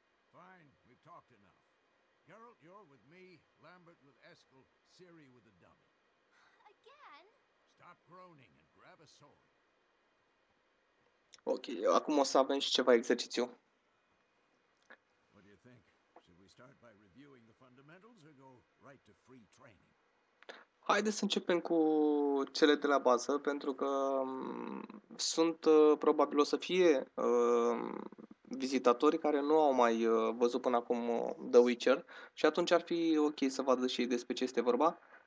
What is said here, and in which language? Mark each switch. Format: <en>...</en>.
<en>Fine, we've talked enough. Geralt, you're with me, Lambert with Eskel, Ciri with the dummy. Again? Stop groaning and grab a sword.</en> <ro>Ok, acum o să avem și ceva exercițiu.</ro> <en>What do you think? Should we start by reviewing the fundamentals or go right to free training?</en> <ro>Haideți să începem cu cele de la bază, pentru că sunt probabil o să fie vizitatori care nu au mai văzut până acum The Witcher și atunci ar fi ok să vadă și despre ce este vorba.</ro>